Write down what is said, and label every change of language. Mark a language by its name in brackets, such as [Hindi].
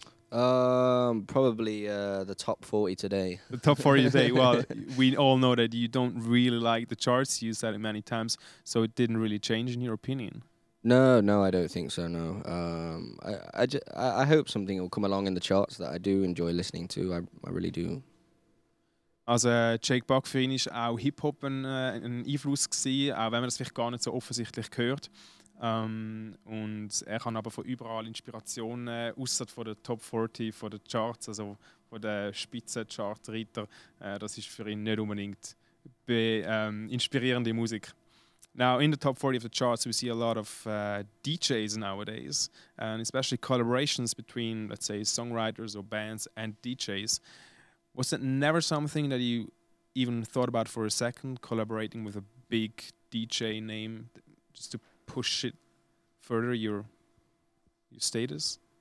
[English] Probably the top 40 today. The top 40 today. Well, we all know that you don't really like the charts. You said it many times. So it didn't really change in your opinion. No, I don't think so, no. I hope something will come along in the charts that I do enjoy listening to. I really do. [German] Also Jake Bugg für ihn ist auch Hip-Hop ein Einfluss gewesen, auch wenn man das vielleicht gar nicht so offensichtlich hört. Und er kann aber von überall Inspirationen, außer von den Top 40, von den Charts, also von den Spitzen-Chart-Reiter, das ist für ihn nicht unbedingt inspirierende Musik. [English] Now, in the top 40 of the charts, we see a lot of DJs nowadays, and especially collaborations between, let's say, songwriters or bands and DJs. Was it never something that you even thought about for a second, collaborating with a big DJ name just to push it further, your status?